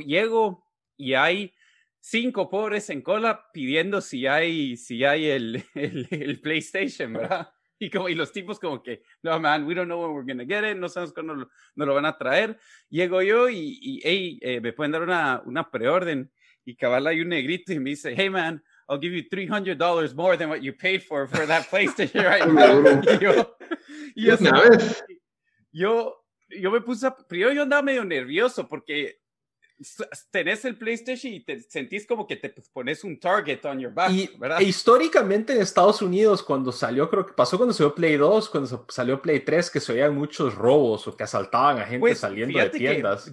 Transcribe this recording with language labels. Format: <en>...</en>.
<es>Llego y hay 5 pobres en cola pidiendo si hay el PlayStation, ¿verdad? Y como, y los tipos como que, no,</es> <en>man, we don't know when we're gonna get it,</en> <es>no sabemos cuándo nos lo van a traer. Llego yo y hey, me pueden dar una preorden. Y cabal hay un negrito y me dice, hey,</es> <en>man, I'll give you $300 more than what you paid for that PlayStation right now.</en> <es>Y yo una vez. Yo me puse a... Primero yo andaba medio nervioso porque tenés el PlayStation y te sentís como que te pones un</es> <en>target on your back,</en> <es>¿verdad? Y históricamente en Estados Unidos, cuando salió, creo que pasó cuando salió Play 2, cuando salió Play 3, que se oían muchos robos o que asaltaban a gente, pues, saliendo de tiendas.</es>